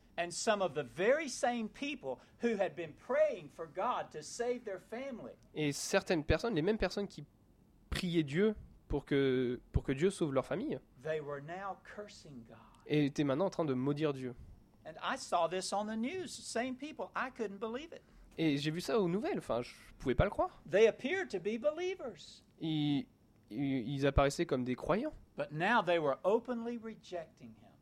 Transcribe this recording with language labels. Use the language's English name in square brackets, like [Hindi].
[English] And some of the very same people who had been praying for God to save their family. [French] Et certaines personnes, les mêmes personnes qui priaient Dieu pour que Dieu sauve leur famille. [English] They were now cursing God. [French] Et étaient maintenant en train de maudire Dieu. [English] And I saw this on the news, same people, I couldn't believe it. [French] Et j'ai vu ça aux nouvelles, enfin, je pouvais pas le croire. [English] They appeared to be believers. [French] Ils apparaissaient comme des croyants. [English] But now they were openly rejecting him.